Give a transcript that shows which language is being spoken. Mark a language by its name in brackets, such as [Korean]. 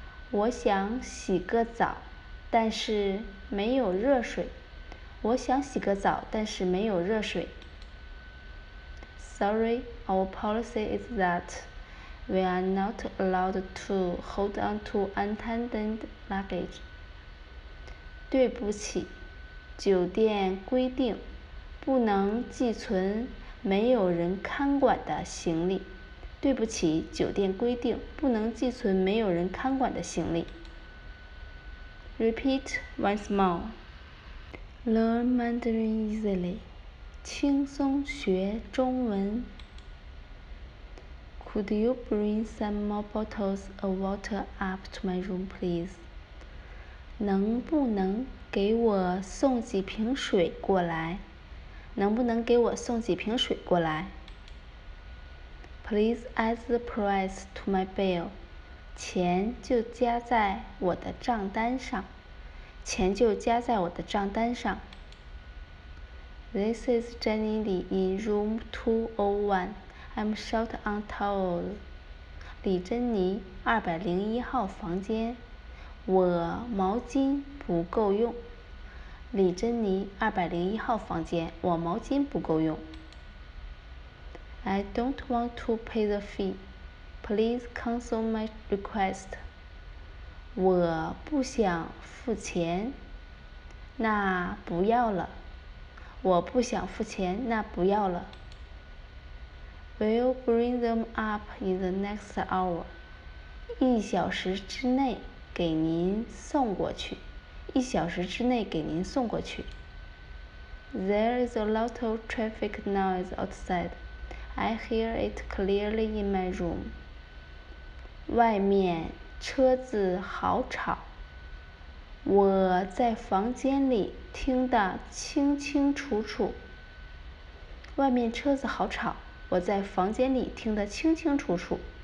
[Chinese] 我想洗个澡，但是没有热水。我想洗个澡，但是没有热水。 [English] Sorry, our policy is that we are not allowed to hold on to untended luggage. [Chinese] 对不起，酒店规定不能寄存没有人看管的行李。对不起，酒店规定不能寄存没有人看管的行李。 [English] Repeat once more. Learn Mandarin easily. [Chinese] 轻松学中文。 [English] Could you bring some more bottles of water up to my room, please? [Chinese] 能不能给我送几瓶水过来？能不能给我送几瓶水过来？ [English] Please add the price to my bill. [Chinese] 钱就加在我的账单上。钱就加在我的账单上。 [English] This is Jenny Lee in room 201. I'm short on towels. [Chinese] 李珍妮201号房间。我毛巾不够用。李珍妮201号房间。我毛巾不够用。 [English] I don't want to pay the fee. Please cancel my request. [Chinese] 我不想付钱，那不要了。我不想付钱，那不要了。 [English] We'll bring them up in the next hour. [Chinese] 一小时之内给您送过去。一小时之内给您送过去。 [English] There is a lot of traffic noise outside. I hear it clearly in my room. [Chinese] 外面车子好吵，我在房间里听得清清楚楚。外面车子好吵，我在房间里听得清清楚楚。